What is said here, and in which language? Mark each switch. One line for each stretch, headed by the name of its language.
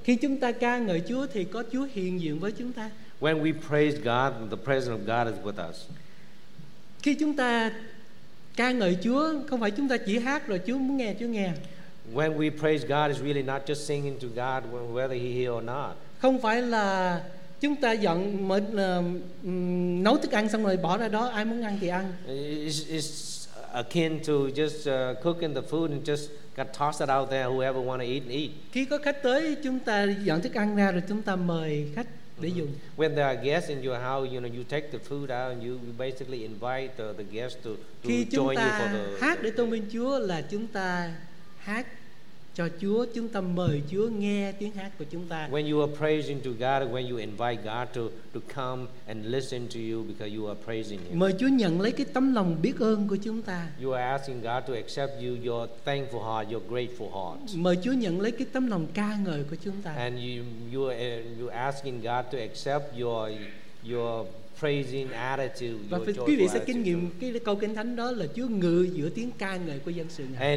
Vietnamese: Khi chúng ta ca ngợi Chúa thì có Chúa hiện diện với chúng ta.
English: When we praise God, the presence of God is with us.
Vietnamese: Khi chúng ta ca ngợi Chúa, không phải chúng ta chỉ hát rồi Chúa muốn nghe, Chúa nghe.
English: When we praise God, it's really not just singing to God, whether he hears or not.
Vietnamese: Không phải là chúng ta dọn mình nấu thức ăn xong rồi bỏ ra đó, ai muốn ăn thì ăn.
English: It's akin to just cooking the food and just got tossed out there, whoever want to eat and eat.
Vietnamese: Khi có khách tới, chúng ta dọn thức ăn ra rồi chúng ta mời khách để dùng.
English: When there are guests in your house, you know, you take the food out and you basically invite the guests to join you for the.
Vietnamese: Hát để tôn vinh Chúa là chúng ta hát cho Chúa, chúng ta mời Chúa nghe tiếng hát của chúng ta.
English: When you are praising to God, when you invite God to come and listen to you because you are praising him.
Vietnamese: Mời Chúa nhận lấy cái tấm lòng biết ơn của chúng ta.
English: You are asking God to accept you, your thankful heart, your grateful heart.
Vietnamese: Mời Chúa nhận lấy cái tấm lòng ca ngợi của chúng ta.
English: And you are asking God to accept your praising attitude.
Vietnamese: Và quý vị sẽ kinh nghiệm cái câu kinh thánh đó là Chúa ngự giữa tiếng ca ngợi của dân sự Ngài.